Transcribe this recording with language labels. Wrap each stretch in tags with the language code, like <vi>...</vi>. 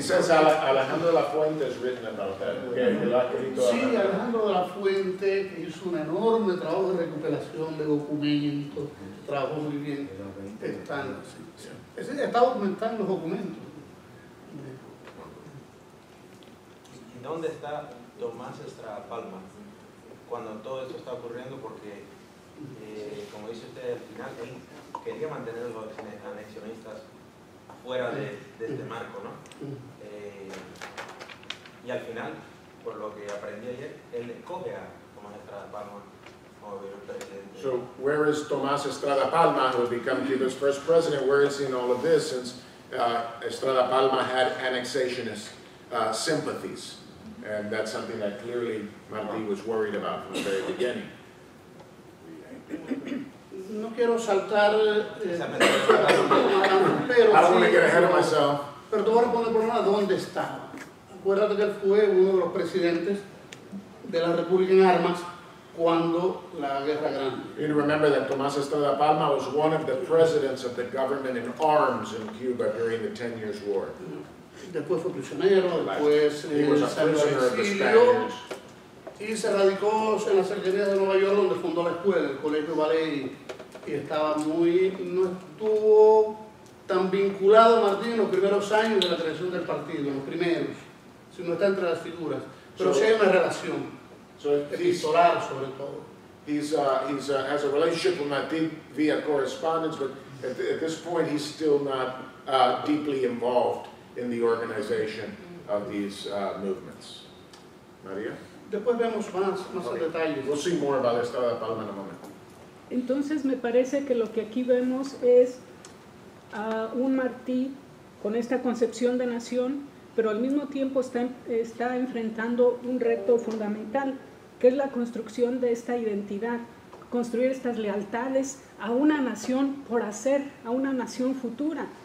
<es>Dices,</es> <en>Alejandro de la Fuente has written about that.</en> <es>Sí, Alejandro de la Fuente hizo un enorme trabajo de recuperación de documentos, trabajó muy bien. Están, sí. Está documentando los documentos. ¿Dónde está Tomás Estrada Palma cuando todo esto está ocurriendo? Porque, como dice usted al final, él quería mantener a los anexionistas fuera de este marco, ¿no? Y al final, por lo que aprendí ayer, él escoge a Tomás Estrada Palma como presidente.</es> <en>So, where is Tomás Estrada Palma, who has become Cuba's first president? Where is he in all of this, since Estrada Palma had annexationist sympathies? And that's something that clearly Martí was worried about from the very beginning.</en> <es>No quiero saltar, pero</es> <en>I don't want to get ahead of myself.</en> <es>Pero te voy a responder por nada, ¿dónde está? Acuérdate que él fue uno de los presidentes de la República en Armas cuando la Guerra Grande.</es> <en>You remember that Tomás Estrada Palma was one of the presidents of the government in arms in Cuba during the 10 years war.</en> <es>Después fue prisionero, después salió al exilio y se radicó en las cercanías de Nueva York, donde fundó la escuela, el Colegio Ballet, y estaba muy, no estuvo tan vinculado Martín en los primeros años de la creación del partido, en los primeros, sino está entre las figuras, pero sí hay una relación, epistolar sobre todo.</es> <en>Has a relationship with Martín via correspondence, but at this point he's still not deeply involved in the organization of these movements. Maria?</en> <es>Después vemos más detalles.</es> <en>We'll see more about Estrada Palma in a moment.</en> <es>Entonces me parece que lo que aquí vemos es un Martí con esta concepción de nación, pero al mismo tiempo está enfrentando un reto fundamental, que es la construcción de esta identidad, construir estas lealtades a una nación por hacer, a una nación futura.</es>